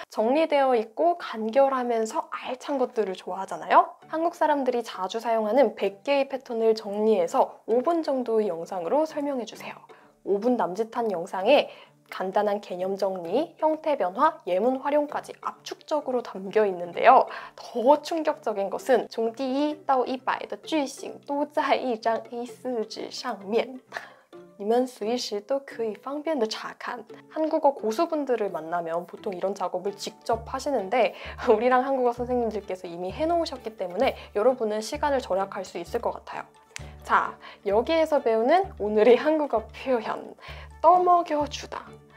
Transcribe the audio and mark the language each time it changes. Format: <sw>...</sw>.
<ko>정리되어 있고 간결하면서 알찬 것들을 좋아하잖아요. 한국 사람들이 자주 사용하는 100개의 패턴을 정리해서 5분 정도의 영상으로 설명해주세요. 5분 남짓한 영상에 간단한 개념 정리, 형태 변화, 예문 활용까지 압축적으로 담겨 있는데요. 더 충격적인 것은</ko> <zh>从第一到一百的句型都在一张A4纸上面. 你们随时都可以方便的查看.</zh> <ko>한국어 고수분들을 만나면 보통 이런 작업을 직접 하시는데 우리랑 한국어 선생님들께서 이미 해놓으셨기 때문에 여러분은 시간을 절약할 수 있을 것 같아요. 자, 여기에서 배우는 오늘의 한국어 표현 떠먹여주다.</ko>